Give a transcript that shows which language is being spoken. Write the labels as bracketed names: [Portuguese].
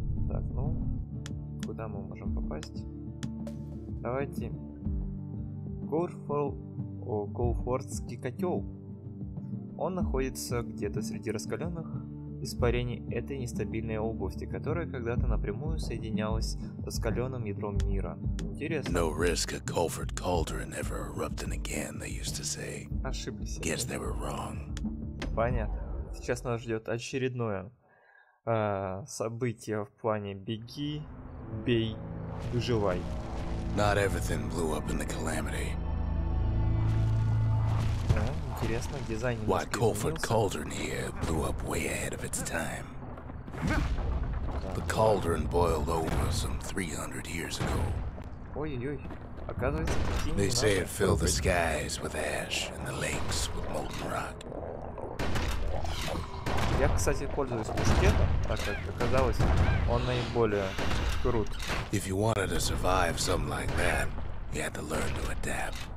[Russian] Так, ну, куда мы можем попасть? Давайте. Коуфордский котел. Он находится где-то среди раскаленных испарений этой нестабильной области, которая когда-то напрямую соединялась с раскаленным ядром мира. Интересно. [English] No risk a Colford cauldron ever erupting again, they used to say. [Russian] Ошиблись. [English] Guess they were wrong. [Russian] Понятно. Сейчас нас ждет очередное событие в плане беги, бей, выживай. [English] Not everything blew up in the calamity. [Russian] Интересно, дизайн немножко изменился. [English] Why Colford cauldron here blew up way ahead of its time. The cauldron boiled over some 300 years ago. [Russian] Ой-ой-ой, оказывается, какие-то не надо. [English] They say it filled the skies with ash and the lakes with molten rock. [Russian] Я, кстати, пользуюсь мушкетом, так как оказалось, он наиболее крут. [English] If you wanted to survive something like that, you had to learn to adapt.